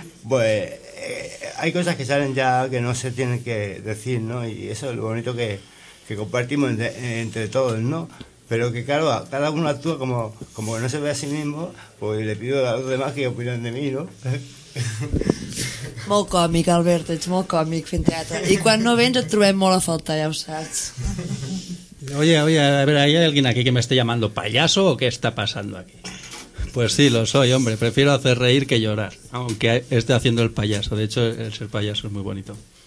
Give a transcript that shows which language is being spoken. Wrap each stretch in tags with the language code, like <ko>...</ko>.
<es>Pues hay cosas que salen ya que no se tienen que decir, ¿no? Y eso es lo bonito que compartimos entre todos, ¿no? Pero que claro, cada uno actúa como no se ve a sí mismo, pues le pido a los demás que opinen de mí, ¿no?</es> <ca>Molt còmic, Albert, ets molt còmic fent teatre. I quan no vens et trobem molt a faltar, ja ho saps.</ca> <es>Oye, a ver, ¿hay alguien aquí que me esté llamando payaso o qué está pasando aquí? Pues sí, lo soy, hombre. Prefiero hacer reír que llorar, aunque esté haciendo el payaso. De hecho, el ser payaso es muy bonito.</es>